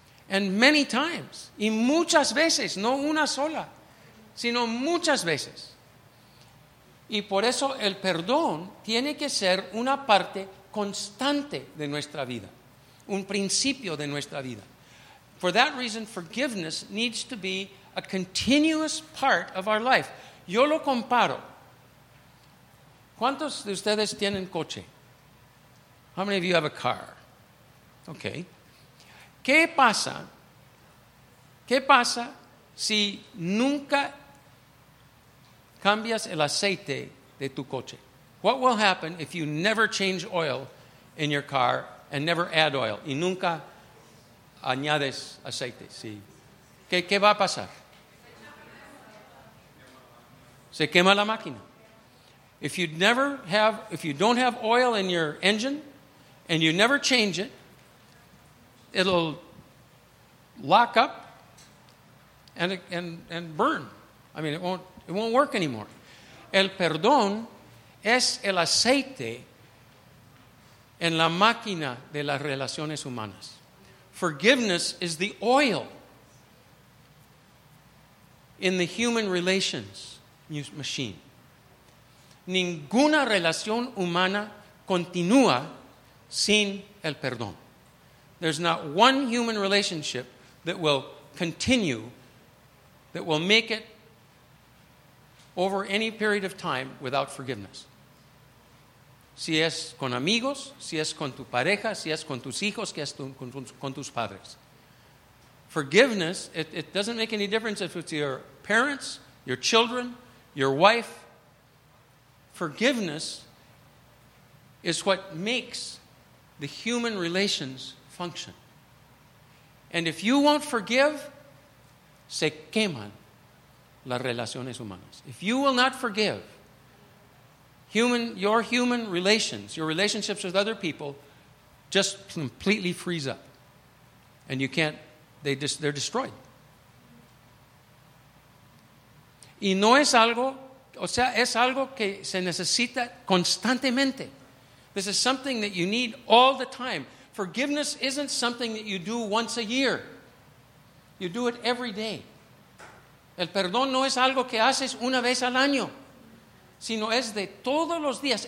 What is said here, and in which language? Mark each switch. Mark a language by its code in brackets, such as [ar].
[en] And many times, [es] y muchas veces, no una sola, sino muchas veces. Y por eso el perdón tiene que ser una parte constante de nuestra vida, un principio de nuestra vida. [en] For that reason, forgiveness needs to be a continuous part of our life. [es] Yo lo comparo ¿Cuántos de ustedes tienen coche? [en] How many of you have a car? Okay. [es] ¿Qué pasa si nunca cambias el aceite de tu coche? [en] What will happen if you never change oil in your car and never add oil? [es] Y nunca añades aceite. ¿Sí? ¿Qué va a pasar? Se quema la máquina. [en] If you don't have oil in your engine and you never change it, it'll lock up and burn. I mean, it won't work anymore. [es] El perdón es el aceite en la máquina de las relaciones humanas. [en] Forgiveness is the oil in the human relations machine. [es] Ninguna relación humana continúa sin el perdón. [en] There's not one human relationship that will continue, that will make it over any period of time without forgiveness. [es] Si es con amigos, si es con tu pareja, si es con tus hijos, si es con tus padres. [en] Forgiveness, it doesn't make any difference if it's your parents, your children, your wife. Forgiveness is what makes the human relations function. And if you won't forgive, [es] se queman las relaciones humanas. [en] If you will not forgive, your human relations, your relationships with other people, just completely freeze up. And you can't, they're destroyed. [es] Y no es algo, o sea, es algo que se necesita constantemente. [en] This is something that you need all the time. Forgiveness isn't something that you do once a year. You do it every day. [es] El perdón no es algo que haces una vez al año, sino es de todos los días.